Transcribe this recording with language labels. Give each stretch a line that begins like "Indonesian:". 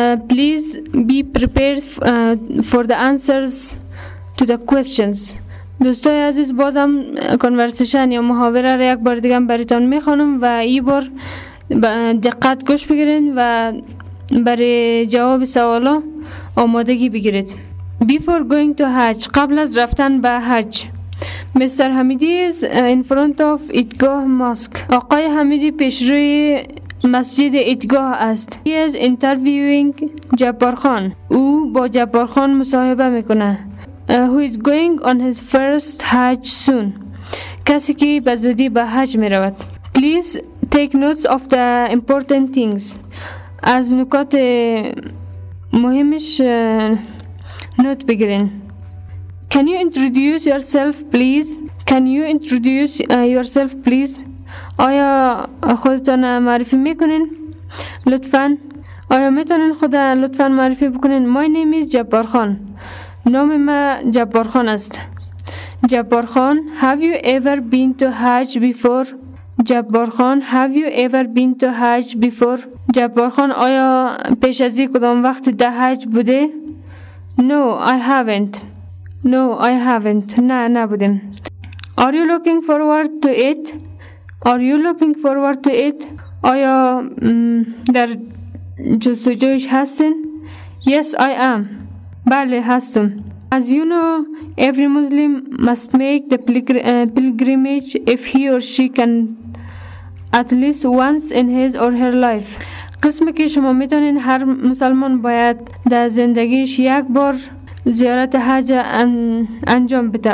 English: Please be prepared for the answers to the questions.
Persian: دوستای عزیز بازم کنورسیشن یا محاوره را یک بار دیگه براتون میخونم و این بار دقت گوش بگیرید و برای جواب سوالا آمادگی بگیرید.
English: Before going to Hajj,
Persian: قبل از رفتن به حج.
English: Mr. Hamidi is in front of Idgah Mosque.
Persian: آقای حمیدی پیش روی مسجد ایدگاه است.
English: He is interviewing
Persian: جبار خان. او با جبار خان مصاحبه میکنه.
English: Who is going on his first Hajj soon.
Persian: کسی که به زودی به حج میرود.
English: Please take notes of the important things.
Persian: از نکات مهمش نوت بگیرین.
English: Can you introduce yourself, please? Can you introduce yourself, please?
Persian: آیا خودتان معرفی میکنین؟ لطفاً. آیا میتونین خودتان لطفاً معرفی بکنین؟
English: My name is
Persian: جبار خان. نام ما جبار خان است.
English: Jabbar Khan, have you ever been to Hajj before? Jabbar Khan, have you ever been to Hajj before?
Persian: جبار خان, آیا پیش از این کدام وقت در حج بوده؟
English: No, I haven't. No, I haven't.
Persian: نه, نبودم.
English: Are you looking forward to it? Are you looking forward to it?
Persian: آیا در جستجویش هستین؟
English: Yes, I am.
Persian: بله, هستم.
English: As you know, every Muslim must make the pilgrimage if he or she can at least once in his or her life.
Persian: قسمی که شما میتونین هر مسلمان باید در زندگیش یک بار زیارت حج انجام بده.